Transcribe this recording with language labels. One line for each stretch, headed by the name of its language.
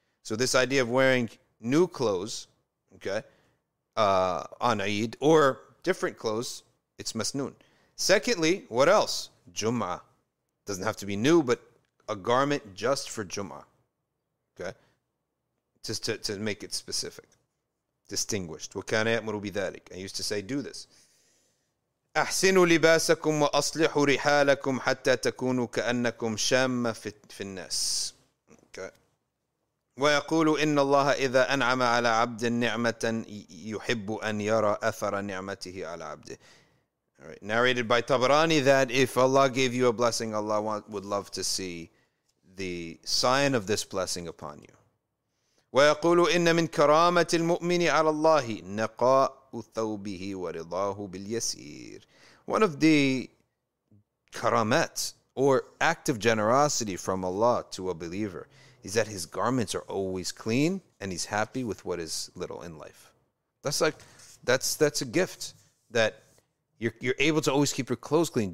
English: So this idea of wearing new clothes, okay, on Eid, or different clothes, it's masnoon. Secondly, what else? Jum'ah. Doesn't have to be new, but a garment just for Jum'ah. Okay? Just to make it specific. Distinguished.
Arabic: وَكَانَ يَأْمُرُ بِذَلِكَ.
English: I used to say, do this.
Arabic: أحسنوا لباسكم وأصلحوا رحالكم حتى تكونوا كأنكم شامة في الناس. ويقول إن الله إذا أنعم على عبد نعمة يحب أن يرى أثر نعمته على عبده.
English: Narrated by Tabarani that if Allah gave you a blessing, Allah would love to see the sign of this blessing upon you.
Arabic: ويقول إن من كرامة المؤمن على الله نقاء ثوبه ورضاه باليسير.
English: One of the karamat, or act of generosity from Allah to a believer, is that his garments are always clean and he's happy with what is little in life. That's a gift, that you're able to always keep your clothes clean.